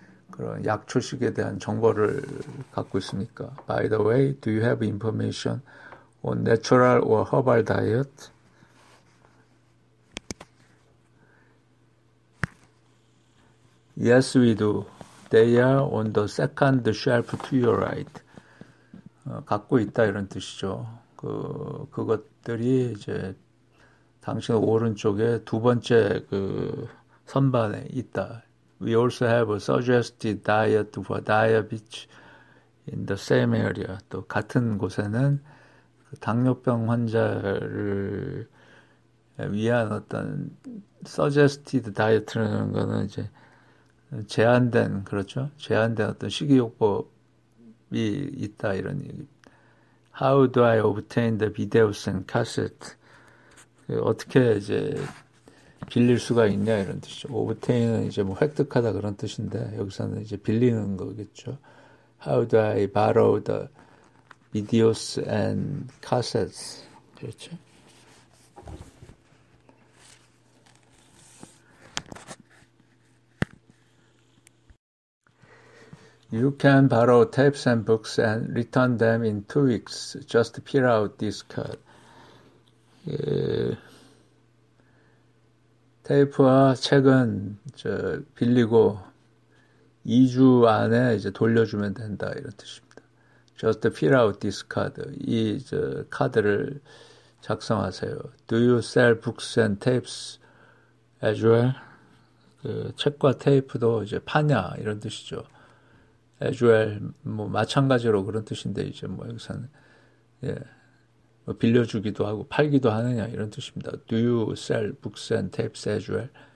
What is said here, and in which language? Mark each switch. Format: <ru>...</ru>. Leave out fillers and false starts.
<ko>그런 약 출시에 대한 정보를 갖고 있습니까?</ko> <en>By the way, do you have information on natural or herbal diet? 예스 위 두. They are on the second shelf to your right.</en> <ko>갖고 있다 이런 뜻이죠. 그것들이 이제 당신 오른쪽에 두 번째 그 선반에 있다.</ko> <en>We also have a suggested diet for diabetes in the same area.</en> <ko>또 같은 곳에는 당뇨병 환자를 위한 어떤</ko> <en>suggested diet</en> <ko>라는 거는 이제 제한된, 그렇죠? 제한된 어떤 식이요법이 있다, 이런 얘기.</ko> <en>How do I obtain the videos and cassette?</en> <ko>어떻게 이제 빌릴 수가 있냐, 이런 뜻이죠. Obtain은 이제 뭐 획득하다 그런 뜻인데, 여기서는 이제 빌리는 거겠죠.</ko> <en>How do I borrow the videos and cassettes?</en> <ko>그렇죠?</ko> <en>'You can borrow tapes and books and return them in 2 weeks. Just fill out this card.'</en> <ko>테이프와 책은 저 빌리고 2주 안에 이제 돌려주면 된다 이런 뜻입니다.</ko> <en>Just fill out this card.</en> <ko>이저 카드를 작성하세요.</ko> <en>Do you sell books and tapes as well?</en> <ko>그 책과 테이프도 이제 파냐 이런 뜻이죠. As well, 뭐 마찬가지로 그런 뜻인데 이제 뭐 여기서는 예, 뭐 빌려주기도 하고 팔기도 하느냐 이런 뜻입니다.</ko> <en>Do you sell books and tapes as well?</en>